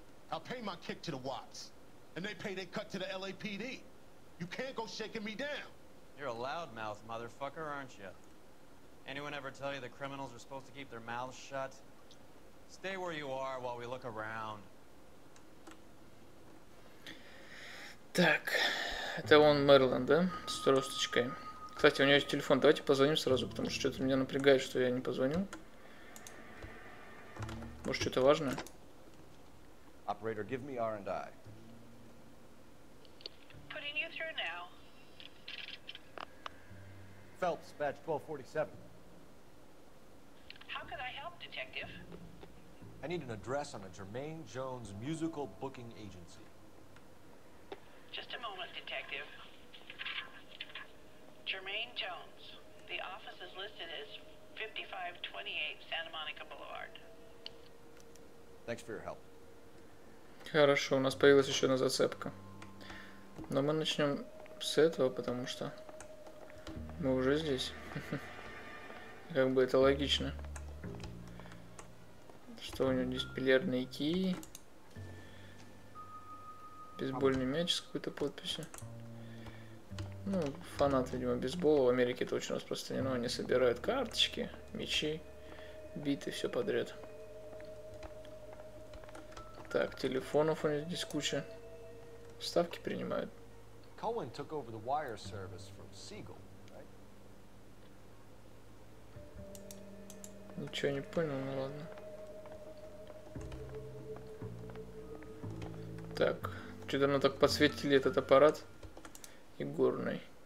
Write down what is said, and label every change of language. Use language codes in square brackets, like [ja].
[en] I'll pay my kick to the Watts, and they pay their cut to the LAPD. You can't go shaking me down. You're a loudmouth motherfucker, aren't you? Anyone ever tell you that criminals are supposed to keep their mouths shut? Stay where you are while we look around. [ru] Так, это он Мерлин, да, с тросточкой. Кстати, у него есть телефон, давайте позвоним сразу, потому что что-то меня напрягает, что я не позвонил. Может, что-то важное? [en] Operator, give me R&I. Putting you through now. Phelps, badge 1247. How can I help, detective? I need an address on a Jermaine Jones musical booking agency. Just a moment, detective. Jermaine Jones. The office is listed as 5528 Santa Monica Boulevard. Thanks for your help. [ru] Хорошо, у нас появилась еще одна зацепка. Но мы начнем с этого, потому что мы уже здесь. Как бы это логично. Что у него здесь, бильярдные кии? Бейсбольный мяч с какой-то подписью. Ну, фанат, видимо, бейсбола. В Америке это очень распространено. Они собирают карточки, мячи, биты, все подряд. Так, телефонов у них здесь куча. Ставки принимают. [en] Коэн took over the wire service from Siegel, right? [ru] Ничего не понял, ну ладно. Так. Что-то нам так подсветили этот аппарат игорный.